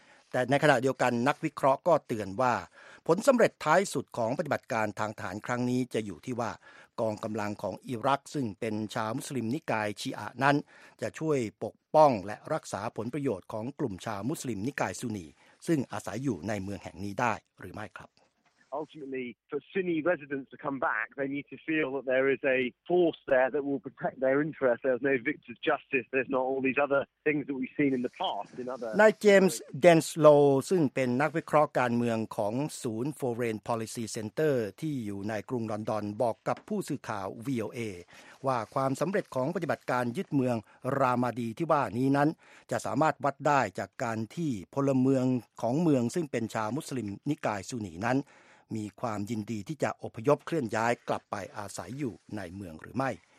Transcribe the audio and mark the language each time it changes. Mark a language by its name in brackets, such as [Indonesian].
[Thai] แต่ในขณะเดียวกันนักวิเคราะห์ก็เตือนว่าผลสำเร็จท้ายสุดของปฏิบัติการทางทหารครั้งนี้จะอยู่ที่ว่ากองกำลังของอิรักซึ่งเป็นชาวมุสลิมนิกายชีอะนั้นจะช่วยปกป้องและรักษาผลประโยชน์ของกลุ่มชาวมุสลิมนิกายซุนีซึ่งอาศัยอยู่ในเมืองแห่งนี้ได้หรือไม่ครับ [English] Ultimately for Sunni residents to come back they need to feel that there is a force there that will protect their interests there's no victor's justice there's not all these other things that we've seen in the past in other [Thai] นายเจมส์เดนสโลว์ซึ่งเป็นนักวิเคราะห์การเมืองของศูนย์ Foreign Policy Center ที่อยู่ในกรุงลอนดอนบอกกับผู้สื่อข่าว VOA ว่าความสำเร็จของปฏิบัติการยึดเมืองรามาดีที่ว่านี้นั้นจะสามารถวัดได้จากการที่พลเมืองของเมืองซึ่งเป็นชาวมุสลิมนิกายซุนีนั้นมีความยินดีที่จะอพยพเคลื่อนย้ายกลับไปอาศัยอยู่ในเมืองหรือไม่